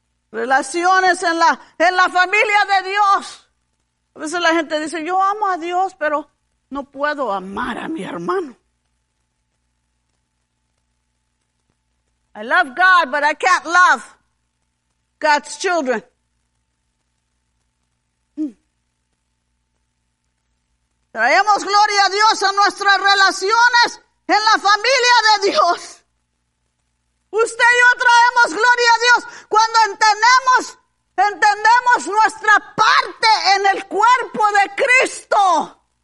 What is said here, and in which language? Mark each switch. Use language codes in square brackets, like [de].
[es] Relaciones en la familia de Dios. A veces la gente dice, yo amo a Dios, pero no puedo amar a mi hermano. [en] I love God, but I can't love God's children. [es] Traemos gloria a Dios a nuestras relaciones en la familia de Dios. Usted y yo traemos gloria a Dios cuando entendemos nuestra parte en el cuerpo de Cristo.